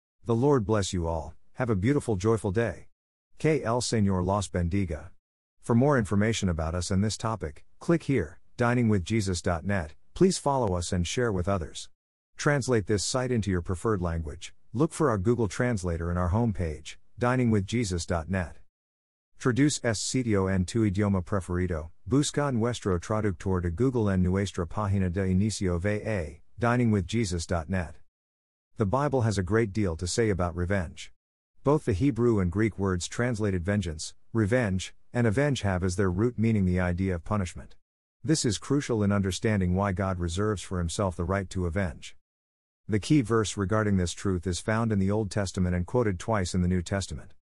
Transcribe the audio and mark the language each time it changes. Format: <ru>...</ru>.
<en>The Lord bless you all, have a beautiful, joyful day.</en> <es>Que el Señor los bendiga.</es> <en>For more information about us and this topic, click here, diningwithjesus.net, please follow us and share with others. Translate this site into your preferred language, look for our Google Translator in our homepage, diningwithjesus.net.</en> <es>Traduce este sitio en tu idioma preferido, busca nuestro traductor de Google en nuestra página de inicio VA, diningwithjesus.net.</es> <en>The Bible has a great deal to say about revenge. Both the Hebrew and Greek words translated vengeance, revenge, and avenge have as their root meaning the idea of punishment. This is crucial in understanding why God reserves for Himself the right to avenge. The key verse regarding this truth is found in the Old Testament and quoted twice in the New Testament.</en>